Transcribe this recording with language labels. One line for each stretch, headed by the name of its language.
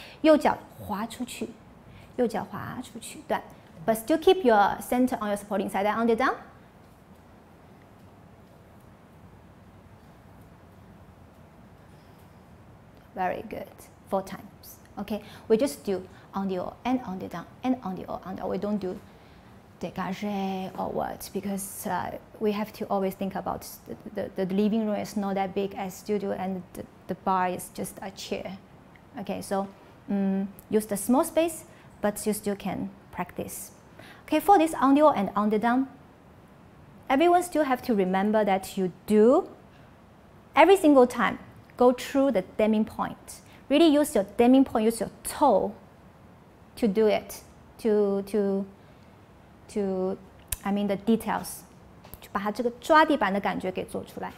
Chinese: 右脚滑出去，右脚滑出去，断。
English: But still keep your center on your supporting side. Then on the down. Very good. 4 times. Okay. We just do on the all and on the down and on the all. And we don't do dégagé or what, because we have to always think about the living room is not that big as studio, and the bar is just a chair. Okay. So use the small space, but you still can practice. Okay, for this on the all and on the down, everyone still have to remember that you do every single time go through the damming point. Really use your damming point, use your toe to do it, the details.
Chinese: 就把它这个抓地板的感觉给做出来。